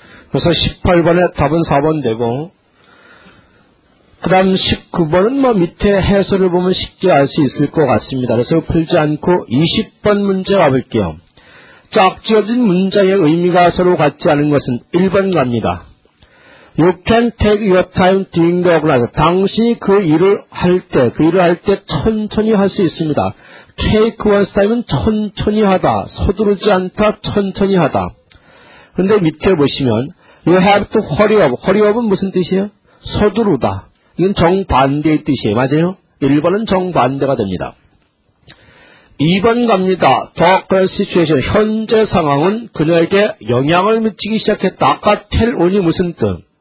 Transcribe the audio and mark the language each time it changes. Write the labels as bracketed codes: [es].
[ko] 그래서 18번에 답은 4번 되고, 그 다음 19번은 뭐 밑에 해설을 보면 쉽게 알 수 있을 것 같습니다. 그래서 풀지 않고 20번 문제 가볼게요. 짝지어진 문장의 의미가 서로 같지 않은 것은 1번 갑니다. [en] You can take your time doing the organizer. [ko] 당신이 그 일을 할 때 천천히 할 수 있습니다. [en] Take one's time [ko] 은 천천히 하다. 서두르지 않다. 천천히 하다. 근데 밑에 보시면 [en] You have to hurry up. Hurry up [ko] 은 무슨 뜻이에요? 서두르다. 이건 정반대의 뜻이에요. 맞아요? 1번은 정반대가 됩니다. 2번 갑니다. [en] The current situation. [ko] 현재 상황은 그녀에게 영향을 미치기 시작했다. 아까 tell on이 무슨 뜻?